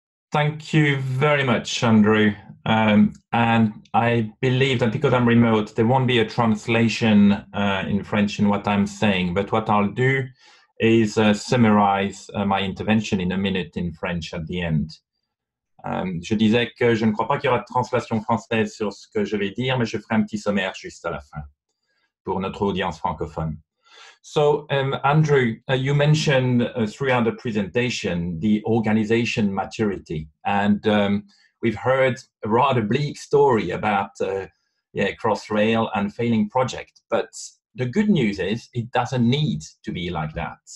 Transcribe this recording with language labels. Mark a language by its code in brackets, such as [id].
[en] Thank you very much, Andrew. And I believe that because I'm remote, there won't be a translation in French in what I'm saying. But what I'll do is summarize my intervention in a minute in French at the end. [fr] Je disais que je ne crois pas qu'il y aura de translation française sur ce que je vais dire, mais je ferai un petit sommaire juste à la fin pour notre audience francophone. [en] So, Andrew, you mentioned throughout the presentation the organization maturity, and we've heard a rather bleak story about Crossrail and failing project, but the good news is it doesn't need to be like that.